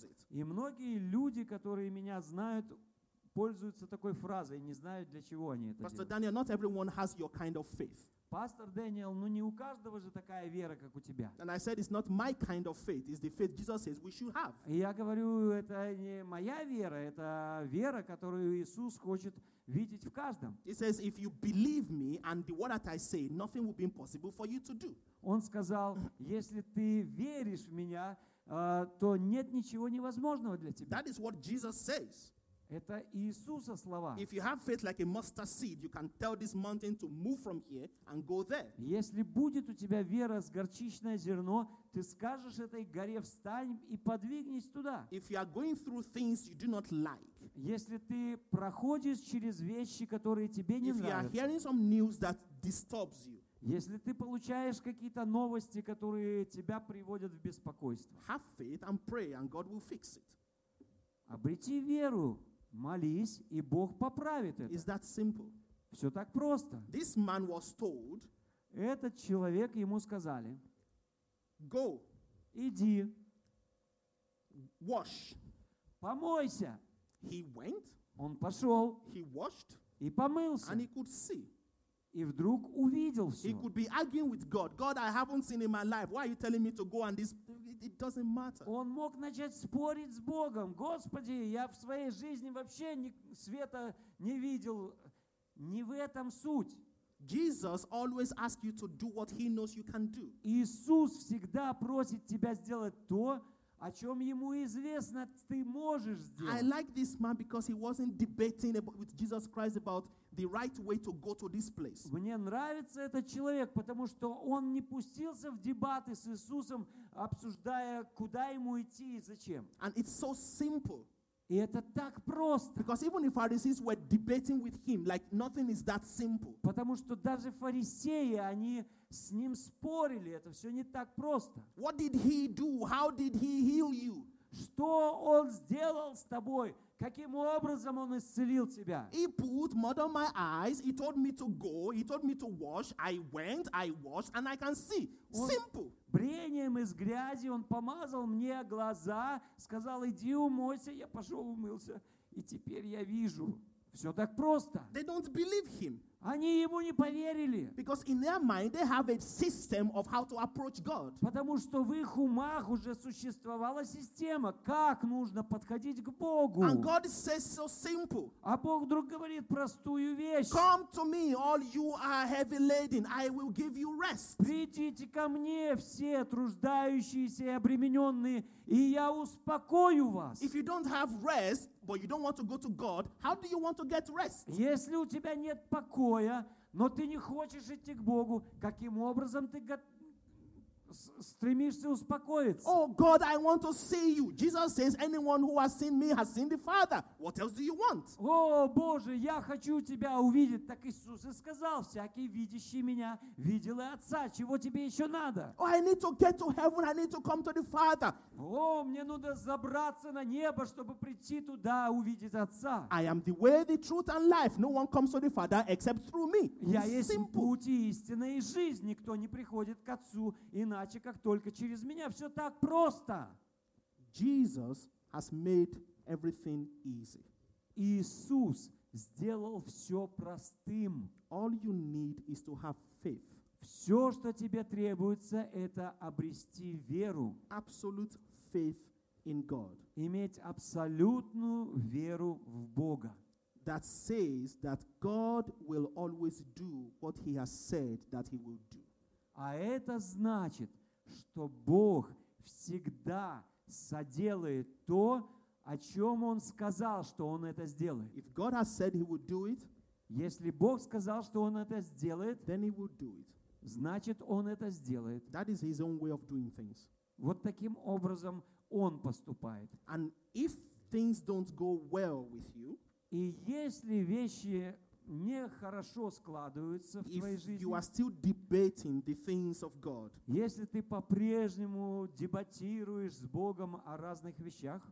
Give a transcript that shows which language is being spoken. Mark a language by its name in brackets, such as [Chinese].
[Russian] И многие люди, которые меня знают, пользуются такой фразой, не знают, для чего они это [English] Pastor [Russian] делают. [English] Daniel, not everyone has your kind of faith. [Russian] Пастор Дэниел, ну не у каждого же такая вера, как у тебя. [English] And I said, it's not my kind of faith, it's the faith Jesus says we should have. [Russian] И я говорю, это не моя вера, это вера, которую Иисус хочет видеть в каждом. [English] He says, if you believe me and the word that I say, nothing will be impossible for you to do. [Russian] Он сказал, если ты веришь в меня, то нет ничего невозможного для тебя. [English] That is what Jesus says. [Russian] Это Иисуса слова. [English] If you have faith like a mustard seed, you can tell this mountain to move from here and go there. [Russian] Если будет у тебя вера с горчичное зерно, ты скажешь этой горе, встань и подвигнись туда. [English] If you are going through things you do not like. [Russian] Если ты проходишь через вещи, которые тебе не нравятся. [English] If you are hearing some news that disturbs you. [Russian] Если ты получаешь какие-то новости, которые тебя приводят в беспокойство. [English] Have faith and pray and God will fix it. [Russian] Обрети веру, молись, и Бог поправит это. [English] Is that simple? [Russian] Все так просто. [English] This man was told, [Russian] этот человек, ему сказали, [English] go, [Russian] иди, [English] wash, [Russian] помойся. [English] He went, [Russian] он пошел, [English] he washed, [Russian] и помылся. [English] And he could see. [Russian] И вдруг увидел все. [English] He could be arguing with God. God, I haven't seen in my life. Why are you telling me to go and this? It doesn't matter. [Russian] Он мог начать спорить с Богом. Господи, я в своей жизни вообще света не видел. Не в этом суть. [English] Jesus always asks you to do what he knows you can do. [Russian] Иисус всегда просит тебя сделать то, о чем ему известно, ты можешь сделать. [English] I like this man because he wasn't debating with Jesus Christ about the right way to go to this place. [Russian] Мне нравится этот человек, потому что он не пустился в дебаты с Иисусом, обсуждая, куда ему идти и зачем. [English] And it's so simple. [Russian] И это так просто. [English] Because even the Pharisees were debating with him, like nothing is that simple. [Russian] Потому что даже фарисеи, они с ним спорили, это все не так просто. [English] What did he do? How did he heal you? [Russian] Что он сделал с тобой? Каким образом он исцелил тебя? [English] He put mud on my eyes. He told me to go. He told me to wash. I went, I washed, and I can see. Simple. [Russian] Брением из грязи он помазал мне глаза, сказал, иди умойся, я пошел умылся, и теперь я вижу. Все так просто. [English] They don't believe him. [Russian] Они ему не поверили. [English] Because in their mind they have a system of how to approach God. [Russian] Потому что в их умах уже существовала система, как нужно подходить к Богу. [English] And God says so simple. [Russian] А Бог вдруг говорит простую вещь. [English] Come to me, all you are heavy laden, I will give you rest. [Russian] Придите ко мне все труждающиеся и обремененные, и я успокою вас. [English] If you don't have rest, but you don't want to go to God, how do you want to get rest? [Russian] Если у тебя нет покоя, но ты не хочешь идти к Богу, каким образом ты стремишься успокоиться? [English] Oh God, I want to see you. Jesus says, anyone who has seen me has seen the Father. What else do you want? [Russian] Oh, Боже, я хочу тебя увидеть. Так Иисус и сказал, всякий видящий меня видел и Отца. Чего тебе еще надо? [English] Oh, I need to get to heaven. I need to come to the Father. [Russian] Oh, мне нужно забраться на небо, чтобы прийти туда увидеть Отца. [English] I am the way, the truth, and life. No one comes to the Father except through me. [Russian] Я есть путь и истина и жизнь. Никто не приходит к Отцу иначе, как только через меня. Все так просто. [English] Jesus has made everything easy. [Russian] Иисус сделал все простым. [English] All you need is to have faith. [Russian] Все, что тебе требуется, это обрести веру. [English] Absolute faith in God. [Russian] Иметь абсолютную веру в Бога. [English] That says that God will always do what he has said that he will do. [Russian] А это значит, что Бог всегда соделает то, о чем Он сказал, что Он это сделает. [English] If God has said he would do it, [Russian] если Бог сказал, что Он это сделает, [English] then he would do it. [Russian] Значит, Он это сделает. [English] That is his own way of doing things. [Russian] Вот таким образом Он поступает. [English] And if things don't go well with you, [Russian] и если вещи не хорошо складываются в твоей жизни. [English] You are still debating the things of God, [Russian] если ты по-прежнему дебатируешь с Богом о разных вещах,